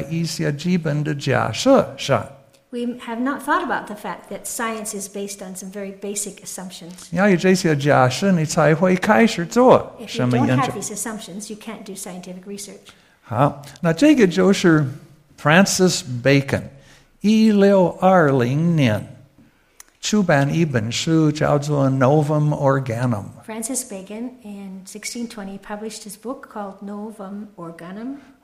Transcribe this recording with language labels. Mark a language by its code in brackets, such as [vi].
[zh] 都没有想过这个方式是建立在一些基本的假设上。 [en] We have not thought about the fact that science is based on some very basic assumptions. [zh] 你要有这些假设,你才会开始做什么研究。 [en] If you don't have these assumptions, you can't do scientific research. [zh] 好,那这个就是 Francis Bacon, 1620年, 出版一本书叫做 Novum Organum. [en] Francis Bacon in 1620 published his book called Novum Organum.